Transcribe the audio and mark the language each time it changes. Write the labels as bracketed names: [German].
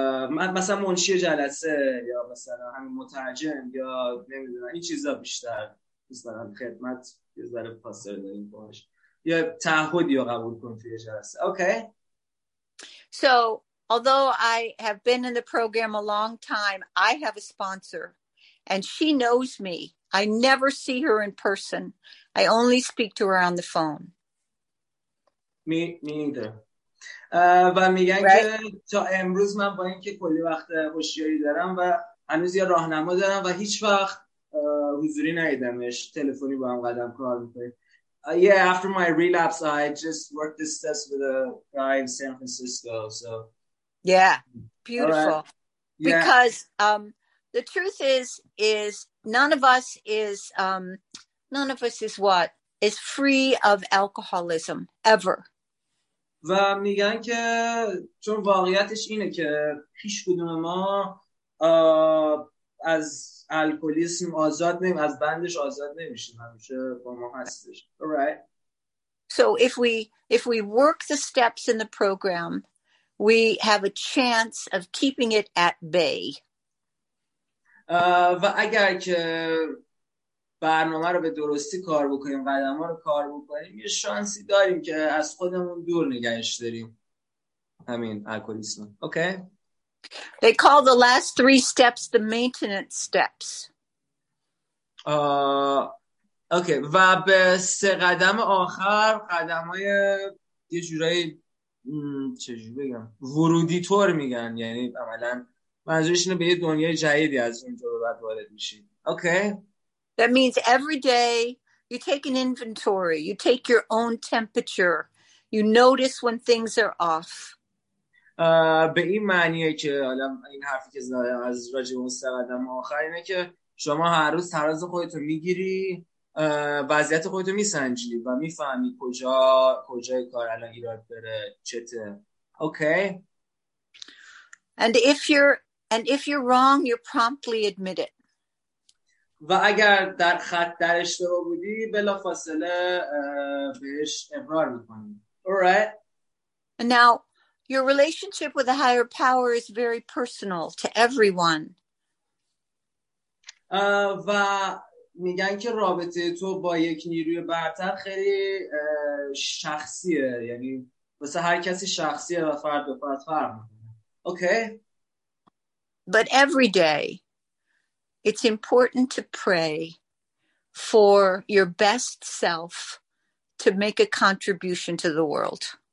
[Persian] من مثلا منشی جلسه یا مثلا همین مترجم یا نمیدونم این چیزا بیشتر دوست دارم خدمت یه ذره پاسر داریم باش یا تعهدی یا قبول کن توی جلسه. [English] Okay So although I have been in the program a long time, I have a sponsor and she knows me. I never see her in person. I only speak to her on the phone. Me neither. [Persian] و میگن [English] right? [Persian] که تا امروز من با این که کلی وقت هوشیاری دارم و هنوز یه راهنما دارم و هیچ وقت حضوری نیدمش تلفنی با هم قدم کار میکنیم. [English] Yeah, after my relapse, I just worked this test with a guy in San Francisco. So, yeah, beautiful. Right. Yeah. Because the truth is none of us is what is free of alcoholism ever. [Persian] و میگن که چون واقعیتش اینه که هیچ کدوم ما از الکلیسم آزاد نمیم، از بندش آزاد نمیشیم، همیشه با ما هستش. [English] Alright. So if we work the steps in the program, we have a chance of keeping it at bay. [Persian] و اگر که برنامه رو به درستی کار بکنیم، قدم ها رو کار بکنیم، یه شانسی داریم که از خودمون دور نگهش داریم همین الکلیسم. [English] Okay. They call the last three steps the maintenance steps. Okay. [Persian] و به سه قدم آخر قدم های یه جورایی چجور بگم ورودی طور میگن، یعنی عملا منظورش اینه به یه دنیای جدیدی از اونجا رو بعد وارد میشین. [English] Okay. That means every day you take an inventory, you take your own temperature, you notice when things are off. [Persian] به این معنیه که حالا این حرفی که زدم از راجع به اون سه قدم آخر اینه که شما هر روز تراز خودتو میگیری، وضعیت خودتو میسنجی و میفهمی کجای کار الان ایراد داره چته. [English] Okay. And if you're wrong, you promptly admit it. [Persian] و اگر در خط در اشتباه بودی بلافاصله بهش اقرار میکنی. [English] Alright. Now your relationship with a higher power is very personal to everyone. [Persian] و میگن که رابطه تو با یک نیروی برتر خیلی شخصیه، یعنی واسه هر کسی شخصیه و فرد به فرد فرق میکنه. [English] Okay. But every day it's important to pray for your best self to make a contribution to the world.